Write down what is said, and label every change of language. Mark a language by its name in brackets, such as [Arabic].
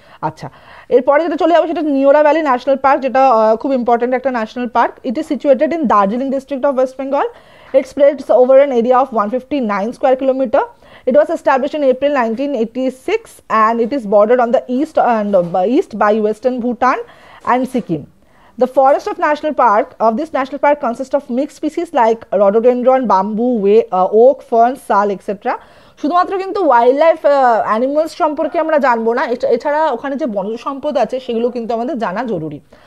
[Bangla] আচ্ছা, এরপরে যেটা চলে যাবো সেটা নিওরা ভ্যালি ন্যাশনাল পার্ক, যেটা খুব ইম্পর্টেন্ট একটা national park. [English] It is situated in Darjeeling district of West Bengal. It spreads over an area of 159 square kilometers। It was establish in April 1986 and it is border on the east and east by western Bhutan and Sikkim. The forest of national park of this national park consists of mixed species like rhododendron, bamboo, way, oak, fern, sal, etc. [Bangla] শুধুমাত্র কিন্তু wild life animals সম্পর্কে আমরা জানবো না, এছাড়া ওখানে যে বনজ সম্পদ আছে সেগুলো কিন্তু আমাদের জানা জরুরি।